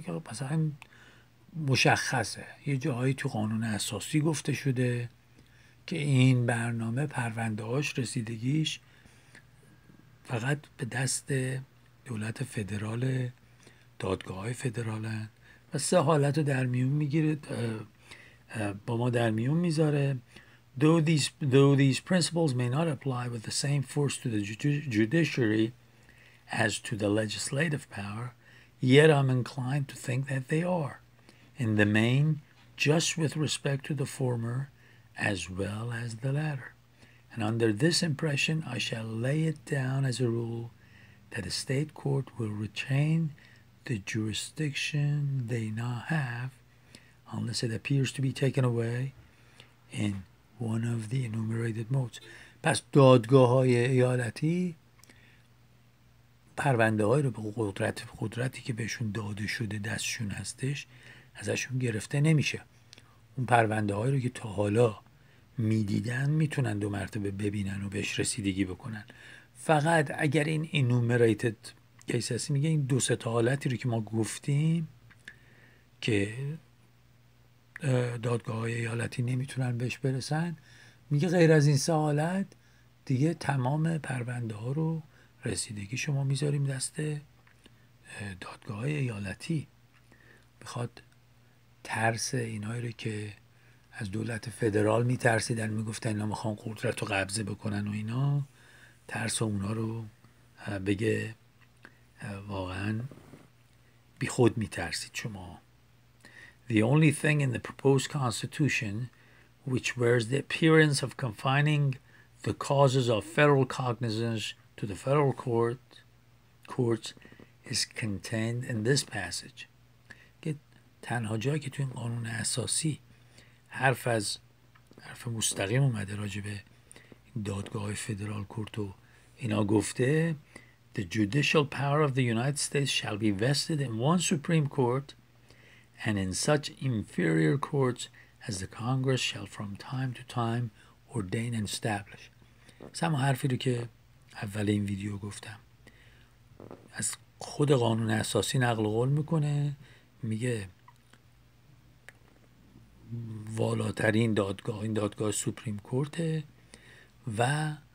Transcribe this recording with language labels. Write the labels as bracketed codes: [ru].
[fa] مثلا مشخصه. یه جایی تو قانون اساسی گفته شده که این برنامه پرونده هاش رسیدگیش فقط به دست دولت فدرال، دادگاه های فدرال هست. و سه حالت رو در میون میگیره، با ما در میون میذاره. [en] Though these principles may not apply with the same force to the judiciary as to the legislative power, yet I'm inclined to think that they are, in the main, just with respect to the former as well as the latter. And under this impression, I shall lay it down as a rule that a state court will retain the jurisdiction they now have unless it appears to be taken away in one of the enumerated modes. [fa] پس دادگاه های ایالتی پرونده های رو به قدرتی که بهشون داده شده دستشون هستش ازشون گرفته نمیشه. اون پرونده های رو که تا حالا میدیدن میتونن دو مرتبه ببینن و بهش رسیدگی بکنن. فقط اگر این enumerated کیس هستی، میگه این دو ستا حالتی رو که ما گفتیم که دادگاه های ایالتی نمیتونن بهش برسن، میگه غیر از این سوالت دیگه تمام پرونده ها رو رسیدگی شما میذاریم دست دادگاه های ایالتی. میخواد ترس اینایی رو که از دولت فدرال میترسیدن، میگفتن اینا میخوان قدرت رو قبضه بکنن و اینا، ترس اونا رو بگه واقعا بی خود میترسید شما. [en] The only thing in the proposed constitution which wears the appearance of confining the causes of federal cognizance to the federal courts is contained in this passage. [fa] که تنها جایی که تو این قانون اساسی حرف مستقیم اومده راجبه دادگاه فدرال کورت و اینا گفته [en] the judicial power of the United States shall be vested in one supreme court and in such inferior courts as the Congress shall from time to time ordain and establish. [fa] سم حرفی رو که اول این ویدیو گفتم از خود قانون اساسی نقل قول میکنه، میگه والاترین دادگاه این دادگاه سوپریم کورته و